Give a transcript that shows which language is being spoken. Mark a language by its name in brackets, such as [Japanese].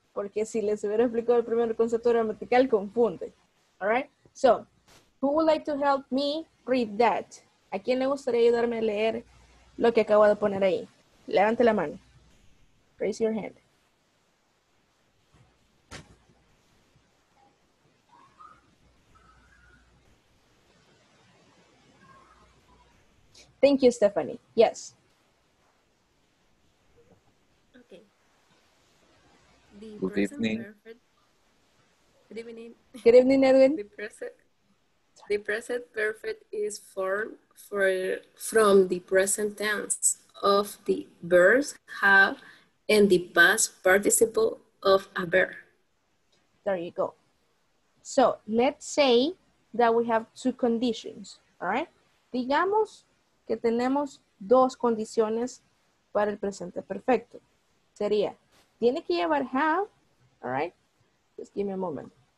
[Spanish] porque si les hubiera explicado el primer concepto gramatical, confunde. [English] All right? So, who would like to help me read that? [Spanish] ¿A quién le gustaría ayudarme a leer lo que acabo de poner ahí? Levante la mano. [English] Raise your hand. Thank you, Stephanie. Yes. Okay. Good evening. Good evening. Good evening, Edwin. The present perfect is formed from the present tense of the verbs have and the past participle of a verb. There you go. So let's say that we have two conditions. All right. [Spanish] Digamos que tenemos dos condiciones para el presente perfecto. Sería, tiene que llevar [English] have, all right? Just give me a moment.